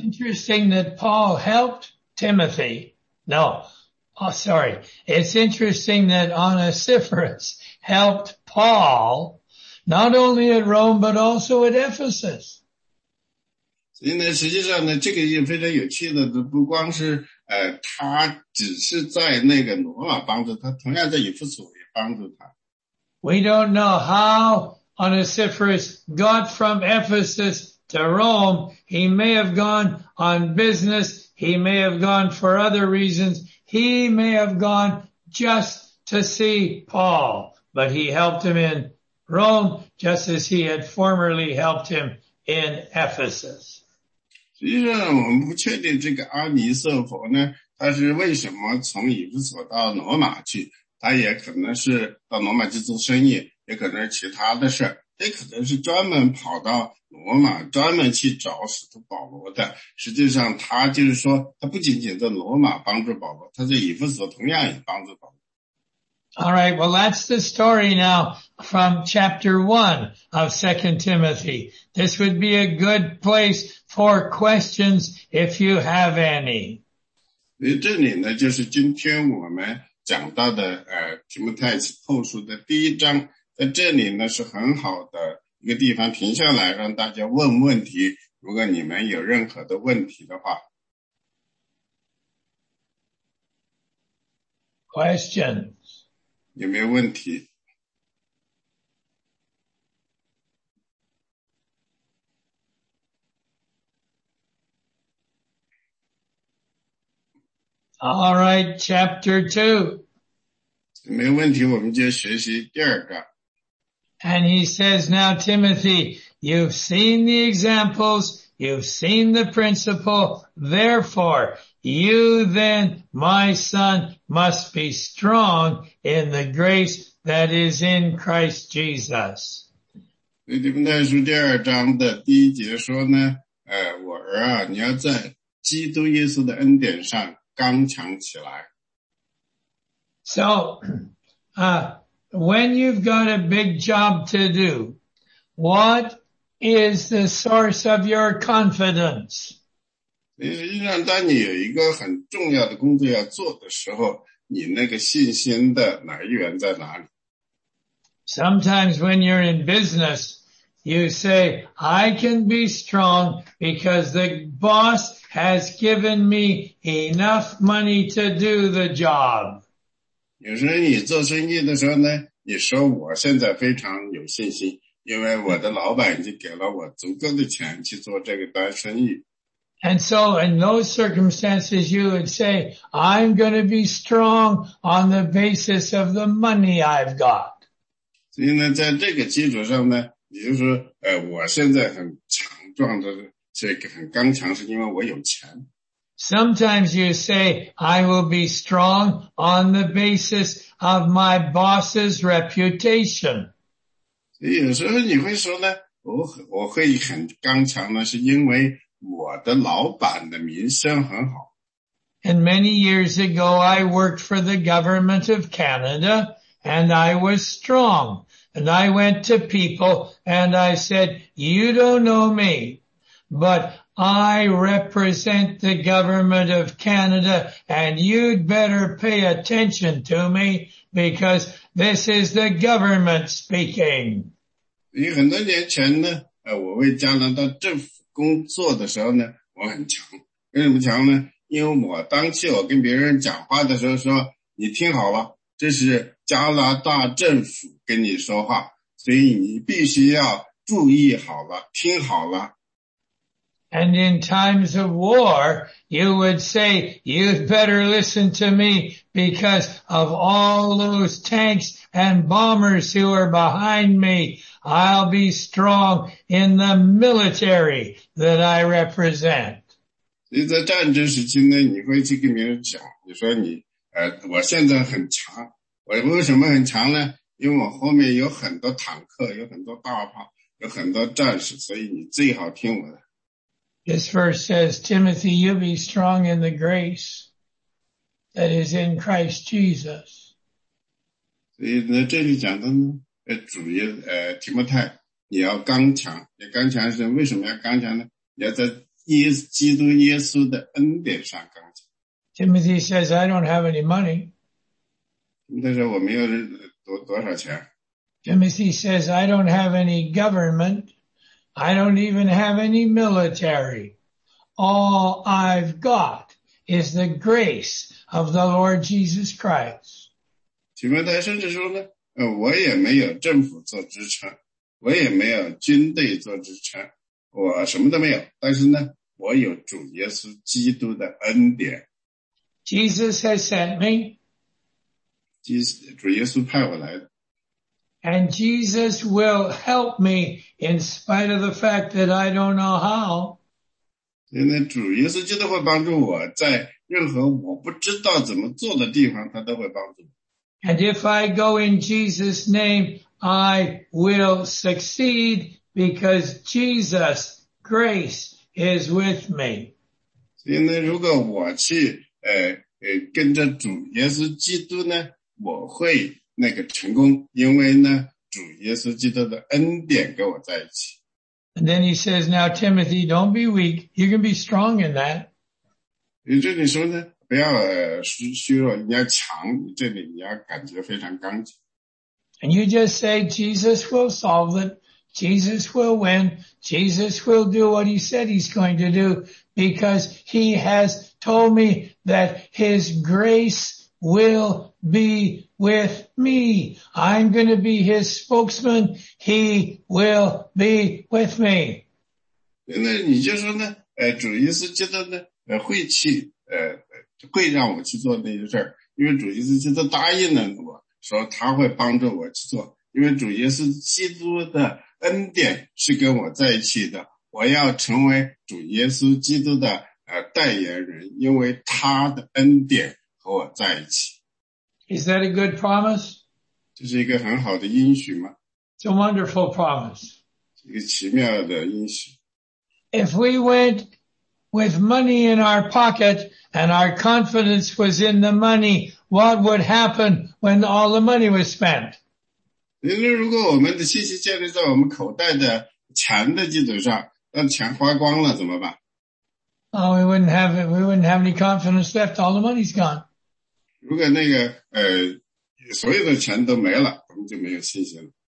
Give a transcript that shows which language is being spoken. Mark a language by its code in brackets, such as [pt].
[en] Interesting that Paul helped Timothy. No. Oh, sorry. It's interesting that Onesiphorus helped Paul, not only at Rome, but also at Ephesus. [zh] 所以呢，实际上呢，这个也非常有趣的，不光是他只是在那个罗马帮助他，同样在以弗所也帮助他。 [en] We don't know how Onesiphorus got from Ephesus to Rome. He may have gone on business. He may have gone for other reasons. He may have gone just to see Paul, but he helped him in Rome, just as he had formerly helped him in Ephesus. [zh] 实际上我们不确定这个阿尼瑟佛呢，他是为什么从以弗所到罗马去，他也可能是到罗马去做生意，也可能是其他的事，也可能是专门跑到罗马，专门去找使徒保罗的。实际上他就是说，他不仅仅在罗马帮助保罗，他在以弗所同样也帮助保罗。 [en] All right, well, that's the story now from chapter 1 of 2 Timothy. This would be a good place for questions if you have any. [zh] 这里呢，就是今天我们讲到的提摩太后书的第一章，在这里呢是很好的一个地方停下来让大家问问题，如果你们有任何的问题的话。 [en] Questions? [zh] 有没有问题？ [en] All right, chapter 2. [zh] 有没有问题，我们就学习第二个。 [en] And he says, now, Timothy, you've seen the examples, you've seen the principle, therefore, you then, my son, must be strong in the grace that is in Christ Jesus. [zh] 所以提摩太书第二章的第一节说呢，我儿啊，你要在基督耶稣的恩典上刚强起来。 [en] So, When you've got a big job to do, what is the source of your confidence? [zh] 实际上当你有一个很重要的工作要做的时候，你那个信心的来源在哪里？ [en] Sometimes when you're in business, You say, I can be strong because the boss has given me enough money to do the job. [zh] 有时候你做生意的时候呢，你说我现在非常有信心，因为我的老板已经给了我足够的钱去做这个单生意。 [en] And so in those circumstances, you would say, I'm going to be strong on the basis of the money I've got. [zh] 所以呢，在这个基础上呢，也就是说，我现在很强壮的，这个很刚强，是因为我有钱。 [en] Sometimes you say, I will be strong on the basis of my boss's reputation. [zh] 所以有时候你会说呢，我会很刚强呢，是因为我的老板的名声很好。 [en] And many years ago, I worked for the government of Canada, and I was strong. And I went to people, and I said, you don't know me, but I represent the government of Canada, and you'd better pay attention to me, because this is the government speaking. [zh] 很多年前呢，我为加拿大政府工作的时候呢，我很强。为什么强呢？因为我当时我跟别人讲话的时候说，你听好了，这是加拿大政府跟你说话，所以你必须要注意好了，听好了。 [en] And in times of war, you would say, you'd better listen to me because of all those tanks and bombers who are behind me. I'll be strong in the military that I represent. [zh] 你在战争时期呢，你会去跟别人讲，你说你，我现在很强。我为什么很强呢？因为我后面有很多坦克，有很多大炮，有很多战士，所以你最好听我的。 [en] This verse says, Timothy, you be strong in the grace that is in Christ Jesus. [zh] 所以呢，这里讲到呢，主耶，提摩太，你要刚强。你刚强是为什么要刚强呢？你要在耶稣基督耶稣的恩典上刚强。 [en] Timothy says, I don't have any money. [zh] 他说我没有多少钱。 [en] Timothy says, I don't have any government. I don't even have any military. All I've got is the grace of the Lord Jesus Christ. [zh] 提摩太甚至说呢，我也没有政府做支撑，我也没有军队做支撑，我什么都没有，但是呢，我有主耶稣基督的恩典。 [en] Jesus has sent me. [zh] 主耶稣派我来的。 [en] And Jesus will help me in spite of the fact that I don't know how. [zh] 现在主耶稣基督会帮助我，在任何我不知道怎么做的地方，他都会帮助我。 [en] And if I go in Jesus' name, I will succeed because Jesus' grace is with me. [zh] 现在如果我去跟着主耶稣基督呢，我会那个成功，因为呢，主耶稣基督的恩典跟我在一起。 [en] And then he says, now Timothy, don't be weak. You can be strong in that. [zh] 你这里说呢，不要虚弱，你要强。这里你要感觉非常刚强。 [en] And you just say, Jesus will solve it. Jesus will win. Jesus will do what he said he's going to do because he has told me that his grace will be with me. I'm going to be his spokesman. He will be with me. [zh] 那你就说呢，主耶稣基督呢，会去，会让我去做那些事儿，因为主耶稣基督答应了我，说他会帮助我去做，因为主耶稣基督的恩典是跟我在一起的，我要成为主耶稣基督的代言人，因为他的恩典和我在一起。 [en] Is that a good promise? [zh] 这是一个很好的应许吗? [en] It's a wonderful promise. [zh] 一个奇妙的应许。 [en] If we went with money in our pocket and our confidence was in the money, what would happen when all the money was spent? [zh] 因为如果我们的信息建立在我们口袋的钱的基础上，那钱花光了怎么办? [en] Oh, we wouldn't have any confidence left. All the money's gone. [zh] 如果那个所有的钱都没了，我们就没有信心了。